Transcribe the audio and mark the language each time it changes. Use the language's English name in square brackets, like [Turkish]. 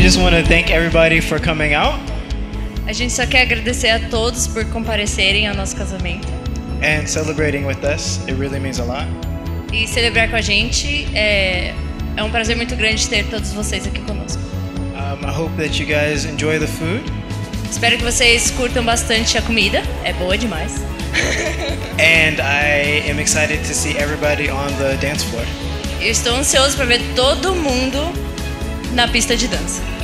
[English] to thank everybody for coming out. [Portuguese] A gente só quer agradecer a todos por comparecerem ao nosso casamento. [English] And celebrating with us, it really means a lot. [Portuguese] E celebrar com a gente é um prazer muito grande ter todos vocês aqui conosco. [English] I hope that you guys enjoy the food. [Portuguese] Espero que vocês curtam bastante a comida. É boa demais. [English] And I am excited to see everybody on the dance floor. [Portuguese] Eu estou ansioso para ver todo mundo na pista de dança.